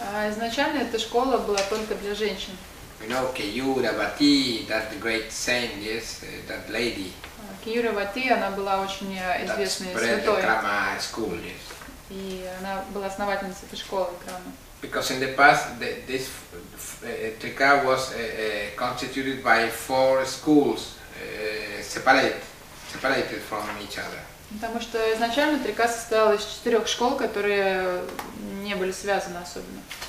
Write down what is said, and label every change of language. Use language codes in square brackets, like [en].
[ru] Изначально эта школа была только для женщин. [en] You know, Keyura Vati, that great saint, yes, that lady. [ru] Keyura Vati, она была очень известной святой. [en] That spread the Krama school, yes. [ru] И она была основательницей этой школы Крама. [en] Because in the past, this Trika was constituted by four schools, separated from each other. [ru] Потому что изначально Трика состояла из четырех школ, которые не были связаны особенно.